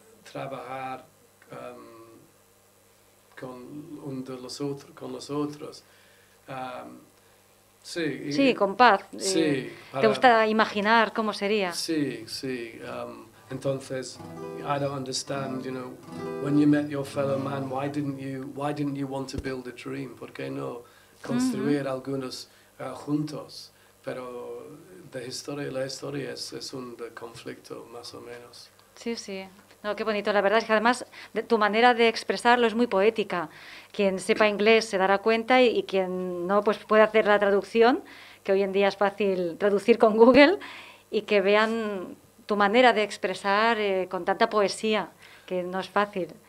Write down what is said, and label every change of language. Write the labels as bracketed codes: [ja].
[es] Trabajar con un de los otros, con los otros. Sí, y, sí, con paz. Sí. Te gusta imaginar cómo sería. Sí, sí. [en] Entonces, I don't understand, you know, when you met your fellow man, why didn't you want to build a dream? [es] ¿Por qué no construir mm-hmm. algunos juntos? Pero la historia es un conflicto, más o menos. Sí, sí. No, qué bonito. La verdad es que además tu manera de expresarlo es muy poética. Quien sepa inglés se dará cuenta y quien no, pues puede hacer la traducción, que hoy en día es fácil traducir con Google, y que vean tu manera de expresar con tanta poesía, que no es fácil.